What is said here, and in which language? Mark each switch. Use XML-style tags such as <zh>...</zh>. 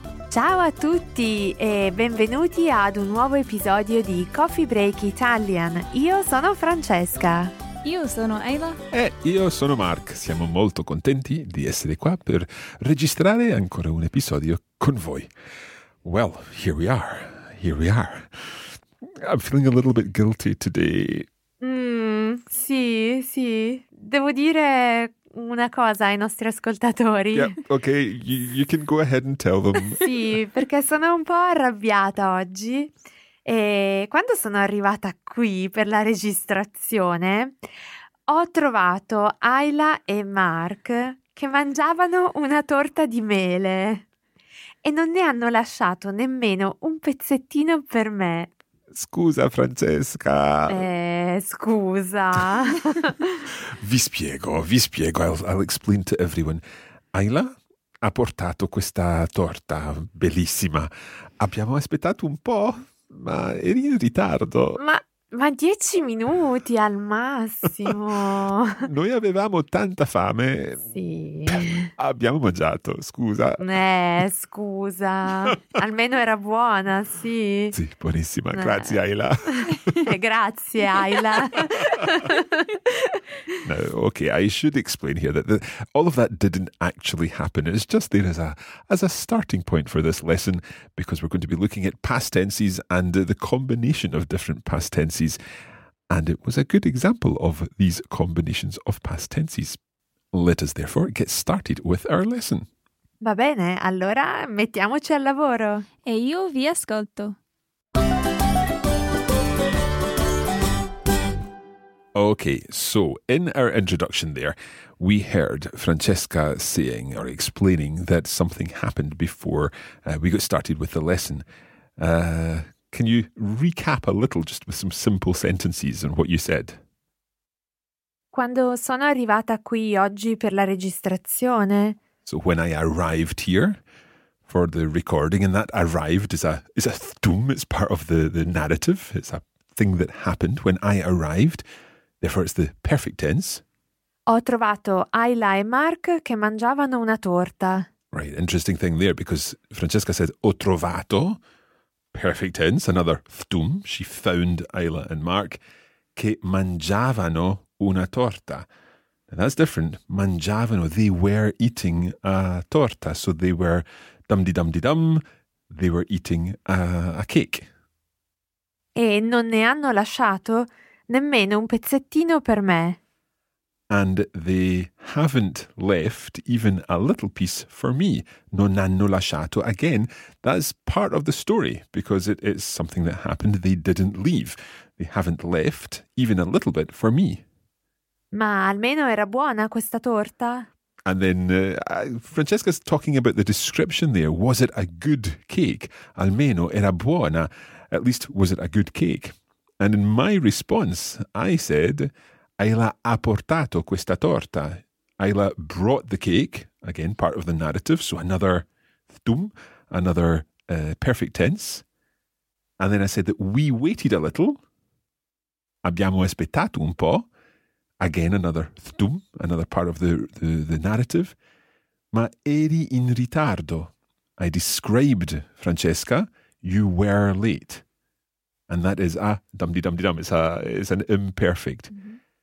<it>Ciao a tutti e benvenuti ad un nuovo episodio di Coffee Break Italian. Io sono Francesca. Io sono Ayla. E io sono Mark. Siamo molto contenti di essere qua per registrare ancora un episodio con voi.</it> <en>Well, here we are. Here we are. I'm feeling a little bit guilty today.</en> <it>Sì. Devo dire una cosa ai nostri ascoltatori.</it> <en>Yeah, ok, you can go ahead and tell them.</en> <it>Sì, perché sono un po' arrabbiata oggi. E quando sono arrivata qui per la registrazione, ho trovato Ayla e Mark che mangiavano una torta di mele. E non ne hanno lasciato nemmeno un pezzettino per me. Scusa, Francesca. Scusa. Vi spiego.</it> <en>I'll explain to everyone.</en> <it>Ayla ha portato questa torta bellissima. Abbiamo aspettato un po', ma eri in ritardo. Ma 10 minuti al massimo. Noi avevamo tanta fame. Sì. Abbiamo mangiato, scusa. Scusa. Almeno era buona, sì. Sì, buonissima. Grazie, Ayla. Grazie, Ayla.</it> <en>No, okay, I should explain here that all of that didn't actually happen. It's just there as a starting point for this lesson, because we're going to be looking at past tenses and the combination of different past tenses. And it was a good example of these combinations of past tenses. Let us therefore get started with our lesson.</en> <it>Va bene, allora mettiamoci al lavoro. E io vi ascolto.</it> <en>Okay, so in our introduction there, we heard Francesca saying or explaining that something happened before we got started with the lesson. Can you recap a little just with some simple sentences on what you said?</en> <it>Quando sono arrivata qui oggi per la registrazione.</it> <en>So when I arrived here for the recording, and that arrived is a thum, it's part of the narrative. It's a thing that happened when I arrived. Therefore it's the perfect tense.</en> <it>Ho trovato Ayla e Mark che mangiavano una torta.</it> <en>Right, interesting thing there, because Francesca said</en> <it>ho trovato,</it> <en>perfect tense, another thum. She found Ayla and Mark</en> <it>che mangiavano una torta.</it> <en>Now that's different. Mangiavano, they were eating a torta. So they were dum-di-dum-di-dum, they were eating a cake.</en> <it>E non ne hanno lasciato nemmeno un pezzettino per me.</it> <en>And they haven't left even a little piece for me. Non hanno lasciato. Again, that's part of the story, because it's something that happened. They didn't leave. They haven't left even a little bit for me.</en> <it>Ma almeno era buona questa torta?</it> <en>And then Francesca's talking about the description there. Was it a good cake?</en> <it>Almeno era buona.</it> <en>At least, was it a good cake? And in my response, I said,</en> <it>Ayla ha portato questa torta.</it> <en>Ayla brought the cake, again, part of the narrative. So another thum, another perfect tense. And then I said that we waited a little.</en> <it>Abbiamo aspettato un po'.</it> <en>Again, another thum, another part of the narrative.</en> <it>Ma eri in ritardo.</it> <en>I described, Francesca, you were late. And that is a dum-di-dum-di-dum. It's an imperfect. Mm-hmm.</en>